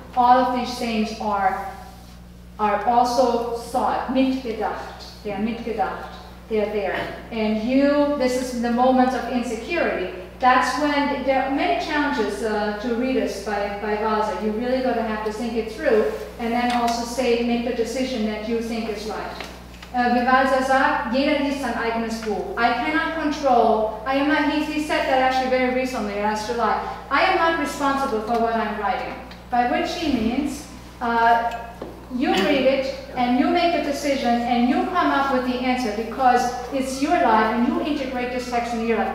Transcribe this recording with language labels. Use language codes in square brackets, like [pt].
[en] All of these things are also thought, mitgedacht. They are mitgedacht. They are there. And this is the moment of insecurity. That's when there are many challenges to readers by Walser. You really got to have to think it through, and then also say, make the decision that you think is right. [de] Wie Walser sagt, jeder liest sein eigenes Buch. [en] I cannot control. He said that actually very recently, last July. I am not responsible for what I'm writing. By which he means, you read it, and you make a decision, and you come up with the answer, because it's your life, and you integrate this text in your life.